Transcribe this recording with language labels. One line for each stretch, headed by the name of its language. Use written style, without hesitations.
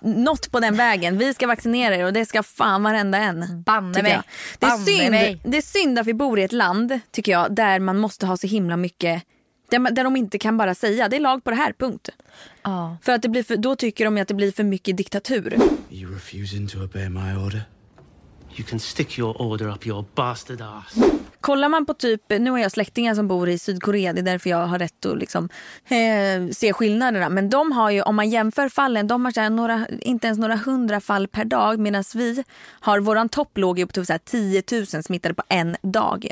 Swedish: något på den vägen. Vi ska vaccinera er och det ska fan varenda en. Banne mig. Det är synd. Det är synd att vi bor i ett land, tycker jag, där man måste ha så himla mycket. Där de inte kan bara säga, det är lag på det här, punkt. Ja. För att det blir då tycker de att det blir för mycket diktatur.
English: You refusing to obey my order? You can stick your order up your bastard ass.
Swedish: Kollar man på typ, nu har jag släktingar som bor i Sydkorea, det är därför jag har rätt att liksom se skillnaderna. Men de har ju, om man jämför fallen, de har så här inte ens några hundra fall per dag, medan vi har, våran topp låg ju på typ så här 10 000 smittade på en dag.